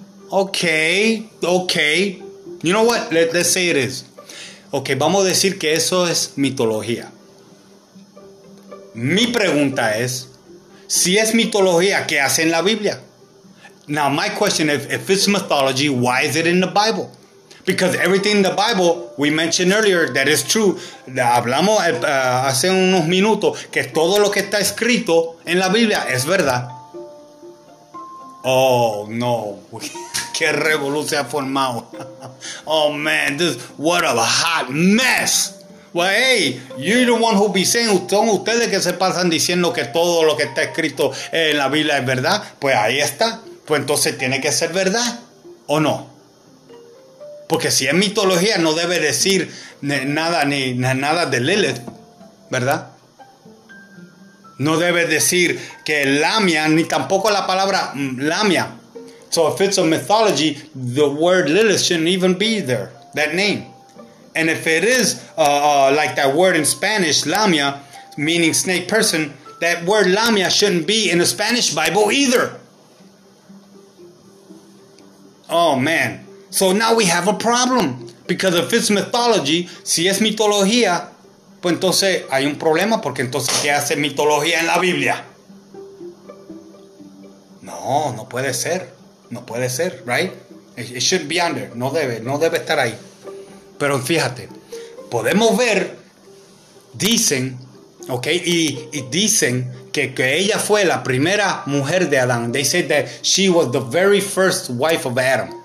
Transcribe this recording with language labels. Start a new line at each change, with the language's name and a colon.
English: Okay, you know what, let's say it is.
Spanish: Okay, vamos a decir que eso es mitología. Mi pregunta es, si es mitología, ¿qué hace en la Biblia?
English: Now, my question, if it's mythology, why is it in the Bible? Because everything in the Bible, we mentioned earlier, that is true.
Spanish: Hablamos hace unos minutos que todo lo que está escrito en la Biblia es verdad. Oh, no. ¿Qué revolución ha formado?
English: Oh, man, this, what a hot mess. Well, hey, you're the one who be saying,
Spanish: son ustedes que se pasan diciendo que todo lo que está escrito en la Biblia es verdad. Pues ahí está. Pues entonces tiene que ser verdad, ¿o no? Porque si es mitología, no debe decir nada ni nada de Lilith, ¿verdad? no debe decir que Lamia, ni tampoco la palabra Lamia.
English: So if it's a mythology, the word Lilith shouldn't even be there, that name. And if it is like that word in Spanish, Lamia, meaning snake person, that word Lamia shouldn't be in the Spanish Bible either. Oh man. So now we have a problem. Because if it's mythology,
Spanish: si es mitología, pues entonces hay un problema, porque entonces ¿qué hace mitología en la Biblia? No, no puede ser. No puede ser,
English: right? It shouldn't be under.
Spanish: No debe, no debe estar ahí. Pero fíjate, podemos ver, dicen, ok, y dicen que ella fue la primera mujer de Adán.
English: They said that she was the very first wife of Adam.